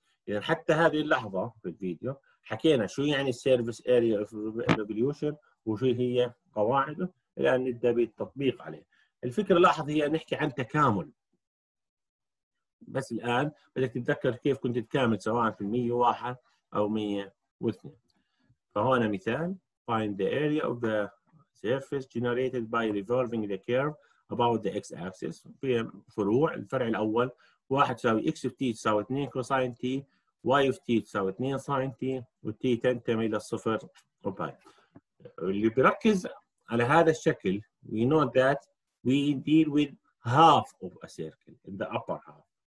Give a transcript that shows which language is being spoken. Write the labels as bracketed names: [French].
[Arabic] إذا حتى هذه اللحظة في الفيديو حكينا شو يعني [English] service area of revolution [Arabic] وشو هي قواعده. الآن نبدأ بالتطبيق عليه. الفكرة لاحظ هي نحكي عن تكامل. بس الآن بدك تتذكر كيف كنت تكامل سواء في 101 أو 102. فهنا مثال: [English] find the area of the surface generated by revolving the curve about the x-axis. [Arabic] في فروع: الفرع الأول 1 تساوي x في t تساوي 2 كوساين t، y في t تساوي 2 ساين t، وt تنتمي للصفر وباي. اللي بيركز على هذا الشكل [English] we know that we deal with half of a circle in the upper half.